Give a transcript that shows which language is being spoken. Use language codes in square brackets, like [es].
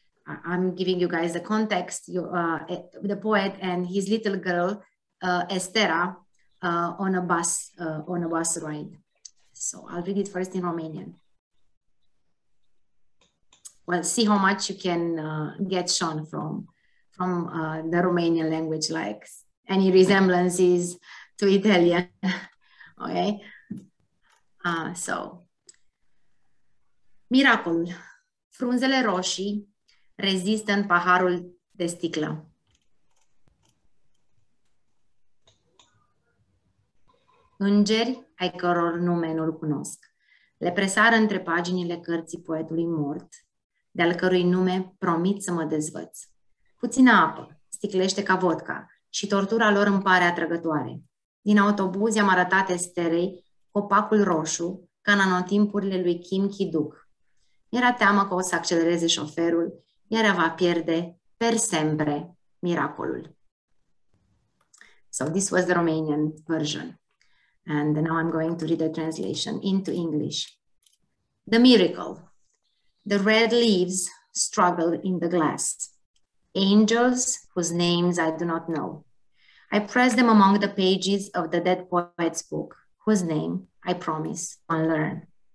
[en] I'm giving you guys the context. The poet and his little girl, Estera, on a bus ride. So I'll read it first in Romanian. Well, see how much you can get Sean from the Romanian language, like any resemblances to Italian. Okay. [ro] So, miracol, frunzele roșii rezistă în paharul de sticlă. Îngeri ai căror nume nu-l cunosc, le presară între paginile cărții poetului mort, de-al cărui nume promit să mă dezvăț. Puțină apă, sticlește ca vodka, și tortura lor îmi pare atrăgătoare. Din autobuz i-am arătat Esterei copacul roșu, ca în anotimpurile lui Kim Ki-duk, Era teama că o să accelereze șoferul, iar va pierde [it] per sempre [ro] miracolul. [en] So this was the Romanian version. And now I'm going to read the translation into English. The miracle. The red leaves struggle in the glass. Angels whose names I do not know. I press them among the pages of the dead poet's book, whose name I promise to unlearn.